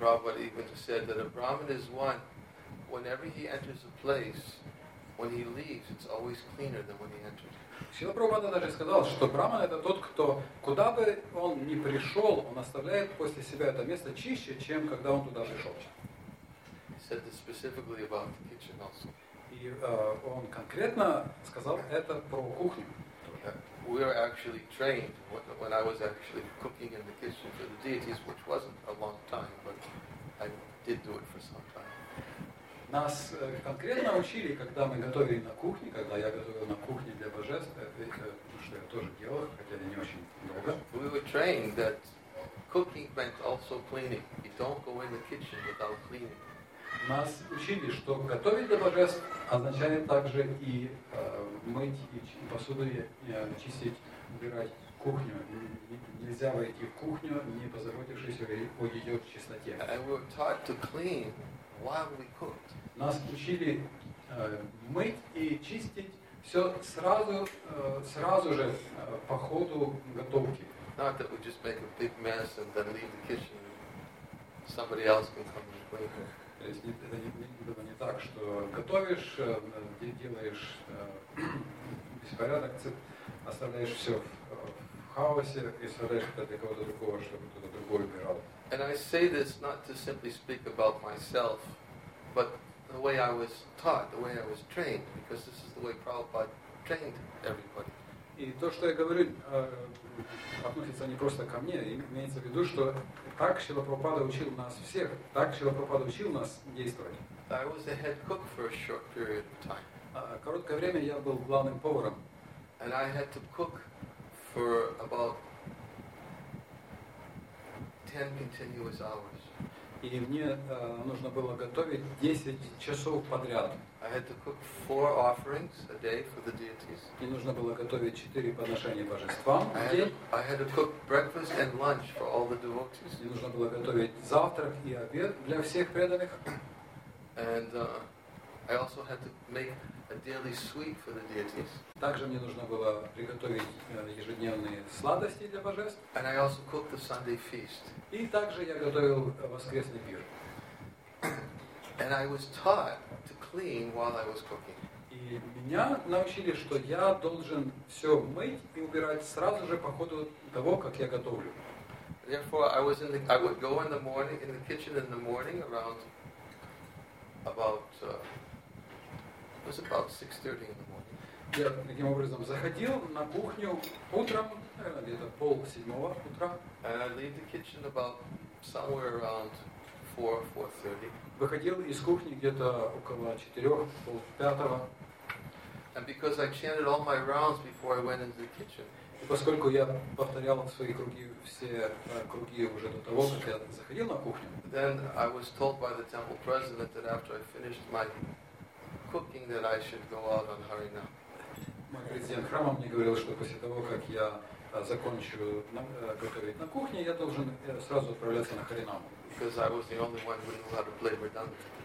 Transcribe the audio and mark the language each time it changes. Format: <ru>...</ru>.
<en>Prabhupada even said that a Brahmin is one, whenever he enters a place, when he leaves, it's always cleaner than when he entered.</en> <ru>Шрила Прабхупада даже сказал, что Брахман это тот, кто, куда бы он ни пришел, он оставляет после себя это место чище, чем когда он туда пришел.</ru> <en>He said this specifically about the kitchen also.</en> <ru>И он конкретно сказал это про кухню.</ru> <en>We were actually trained when I was actually cooking in the kitchen for the deities, which wasn't a long time, but I did do it for some time.</en> <ru>Нас конкретно учили, когда мы готовили на кухне, когда я готовил на кухне для божеств, это что я тоже делал, хотя не очень долго.</ru> <en>We were trained that cooking meant also cleaning. You don't go in the kitchen without cleaning.</en> <ru>Нас учили, что готовить для божеств означает также и мыть и посуду, чистить, убирать кухню. Нельзя войти в кухню, не позаботившись о ее чистоте.</ru> <en>And we were taught to clean while we cooked.</en> <ru>Нас учили мыть и чистить все сразу, сразу же по ходу готовки.</ru> <en>Not that we just make a big mess and then leave the kitchen. Somebody else can come and clean.</en> <ru>То есть не так, что готовишь, делаешь беспорядок, оставляешь все в хаосе и оставляешь это для кого-то другого, чтобы кто-то другой убирал.</ru> <en>And I say this not to simply speak about myself, but the way I was taught, the way I was trained, because this is the way Prabhupada trained everybody.</en> <ru>И то, что я говорю, относится не просто ко мне, имеется в виду, что так Шрила Прабхупада учил нас всех, так Шрила Прабхупада учил нас действовать.</ru> <en>I was a head cook for a short period of time.</en> <ru>Короткое время я был главным поваром.</ru> <en>And I had to cook for about 10 continuous hours.</en> <ru>И мне нужно было готовить 10 часов подряд.</ru> <en>I had to cook 4 offerings a day for the deities.</en> <ru>Мне нужно было готовить 4 подношения божествам в день.</ru> <en>I had to cook breakfast and lunch for all the devotees.</en> <ru>Мне нужно было готовить завтрак и обед для всех преданных.</ru> <en>And I also had to make a daily sweet for the deities.</en> <ru>Также мне нужно было приготовить ежедневные сладости для божеств.</ru> <en>And I also cooked the Sunday feast.</en> <ru>И также я готовил воскресный пир.</ru> <en>And I was taught to clean while I was cooking.</en> <ru>И меня научили, что я должен все мыть и убирать сразу же по ходу того, как я готовлю.</ru> <en>Therefore, I would go in the morning in the kitchen in the morning around about. It was about 6:30 in the morning.</en> <ru>Я таким образом заходил на кухню утром, где-то 6:30 утра.</ru> <en>And I leave the kitchen about somewhere around 4:30.</en> <ru>Выходил из кухни где-то около 4:30.</ru> <en>And because I chanted all my rounds before I went into the kitchen.</en> <ru>И поскольку я повторял свои круги все круги уже до того, как я заходил на кухню.</ru> <en>Then I was told by the temple president that after I finished my cooking that I should go out on Harinam.</en> <ru>Мой президент храма мне говорил, что после того, как я закончу готовить на кухне, я должен сразу отправляться на Харинам.</ru> <en>Because I was the only one who knew how to play Vridangi.</en>